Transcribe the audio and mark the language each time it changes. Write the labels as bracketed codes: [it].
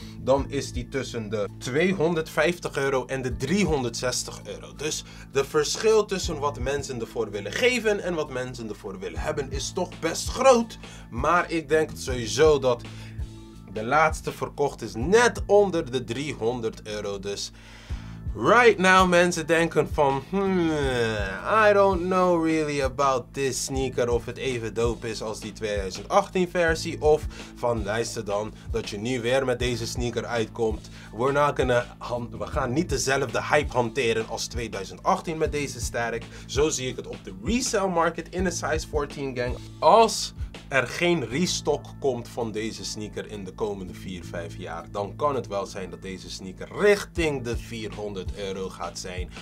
[nl] Dan is die tussen de €250 en de €360. Dus de verschil tussen wat mensen ervoor willen geven en wat mensen ervoor willen hebben is toch best groot. Maar ik denk sowieso dat de laatste verkocht is net onder de €300. Dus [en] right now [nl] mensen denken van [en] I don't know really about this sneaker. [nl] Of het even dope is als die 2018 versie. Of van luister dan dat je nu weer met deze sneaker uitkomt. We gaan niet dezelfde hype hanteren als 2018 met deze Static. Zo zie ik het op de resale market in de size 14 gang. Als er geen restock komt van deze sneaker in de komende 4-5 jaar, dan kan het wel zijn dat deze sneaker richting de €400 gaat zijn.